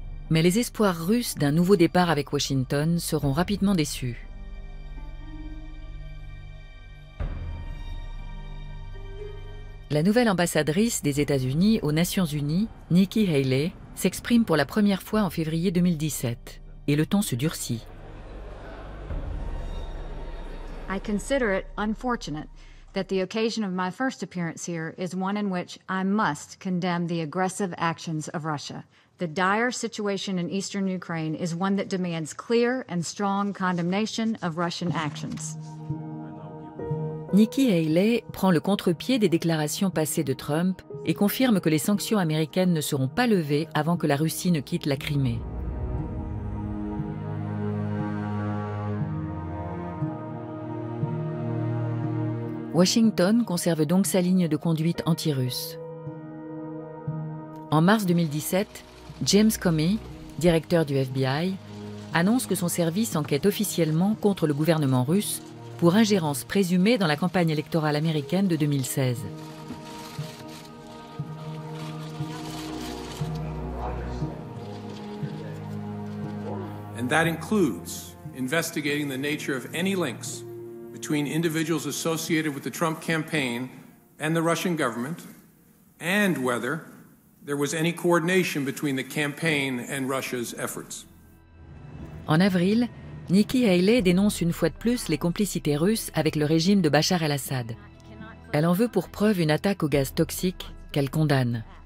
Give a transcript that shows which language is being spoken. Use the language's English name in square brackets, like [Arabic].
[French] Mais les espoirs russes d'un nouveau départ avec Washington seront rapidement déçus. la nouvelle ambassadrice des États-Unis aux Nations Unies, Nikki Haley, s'exprime pour la première fois en février 2017, et le ton se durcit. [English] I consider it unfortunate that the occasion of my first appearance here is one in which I must condemn the aggressive actions of Russia. The dire situation in eastern Ukraine is one that demands clear and strong condemnation of Russian actions. [French] Nikki Haley prend le contre-pied des déclarations passées de Trump et confirme que les sanctions américaines ne seront pas levées avant que la Russie ne quitte la Crimée. Washington conserve donc sa ligne de conduite anti-russe. En mars 2017, James Comey, directeur du FBI, annonce que son service enquête officiellement contre le gouvernement russe pour ingérence présumée dans la campagne électorale américaine de 2016. [English] And that includes investigating the nature of any links between individuals associated with the Trump campaign and the Russian government, and whether there was any coordination between the campaign and Russia's efforts. [French] En avril, Nikki Haley dénonce une fois de plus les complicités russes avec le régime de Bachar el-Assad. Elle en veut pour preuve une attaque au gaz toxique qu'elle condamne.